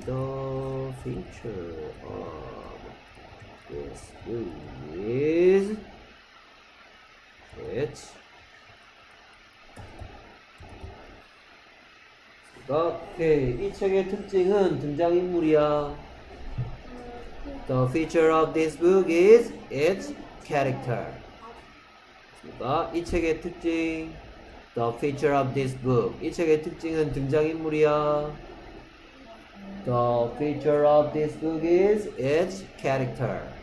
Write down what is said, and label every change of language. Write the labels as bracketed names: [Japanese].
[English] The feature of this movie is it. [Korean] 오케이. 이 책의 특징은 등장인물이야. [English] The feature of this book is its character. [Korean] 됐습니까? 이 책의 특징. [English] The feature of this book. [Korean] 이 책의 특징은 등장인물이야. [English] The feature of this book is its character.